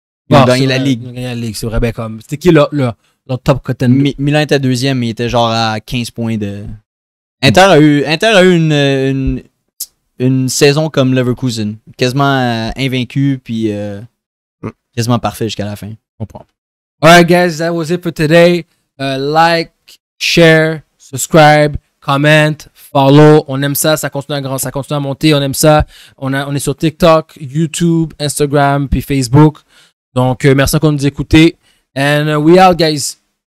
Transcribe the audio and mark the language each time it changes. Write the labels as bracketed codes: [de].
[fr] Ils ont gagné la ligue. C'est vrai, ben comme, c'était qui leur top cotton? Milan était deuxième, mais il était genre à 15 points de... Inter a eu une saison comme Leverkusen. Quasiment invaincu, puis quasiment parfait jusqu'à la fin. On comprend. [en] Alright guys, that was it for today. Like, share, subscribe, comment, follow. [fr] On aime ça, ça continue à grandir, ça continue à monter, on aime ça. On est sur TikTok, YouTube, Instagram, puis Facebook. Donc, merci encore de nous écouter. [en] And we out, guys.